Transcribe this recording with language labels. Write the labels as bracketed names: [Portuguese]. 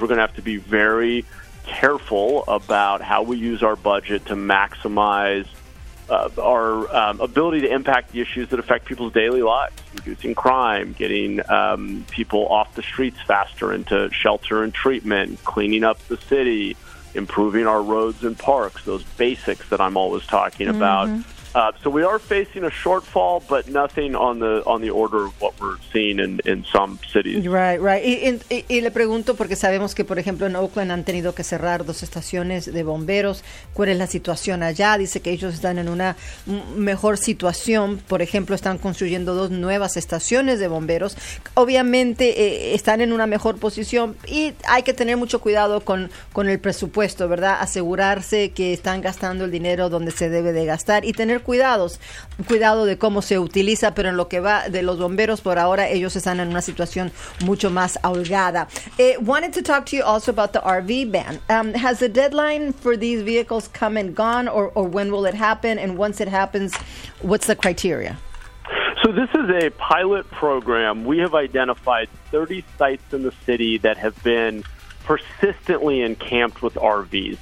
[English] We're going to have to be very careful about how we use our budget to maximize our ability to impact the issues that affect people's daily lives, reducing crime, getting people off the streets faster into shelter and treatment, cleaning up the city, improving our roads and parks, those basics that I'm always talking mm-hmm. about. So we are facing a shortfall, but nothing on the order of what we're seeing in some cities. Right, right. [Spanish] Y le pregunto porque sabemos que, por ejemplo, en Oakland han tenido que cerrar dos estaciones de bomberos. ¿Cuál es la situación allá? Dice que ellos están en una mejor situación. Por ejemplo, están construyendo dos nuevas estaciones de bomberos. Obviamente, están en una mejor posición y hay que tener mucho cuidado con el presupuesto, ¿verdad? Asegurarse que están gastando el dinero donde se debe de gastar y tener cuidados, cuidado de cómo se utiliza, pero en lo que va de los bomberos, por ahora ellos están en una situación mucho más holgada. [English] Wanted to talk to you also about the RV ban. Has the deadline for these vehicles come and gone, or when will it happen? And once it happens, what's the criteria? So this is a pilot program. We have identified 30 sites in the city that have been persistently encamped with RVs.